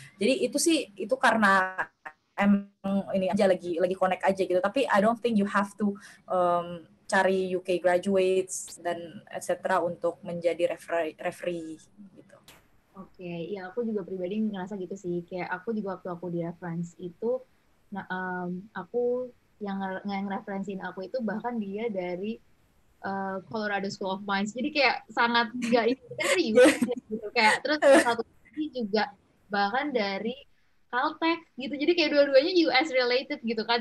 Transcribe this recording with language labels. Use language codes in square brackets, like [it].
[id] Jadi itu sih, itu karena emang ini aja lagi connect aja gitu. Tapi [en] I don't think you have to [id] cari [en] UK graduates [id] dan [en] etc. [id] untuk menjadi referee gitu. Oke, ya aku juga pribadi ngerasa gitu sih. Kayak aku juga waktu aku di reference itu, aku yang referensiin aku itu bahkan dia dari Colorado School of Mines. Jadi kayak sangat gak interview gitu. Kayak terus satu lagi juga bahkan dari Caltech gitu, jadi kayak dua-duanya US related gitu kan.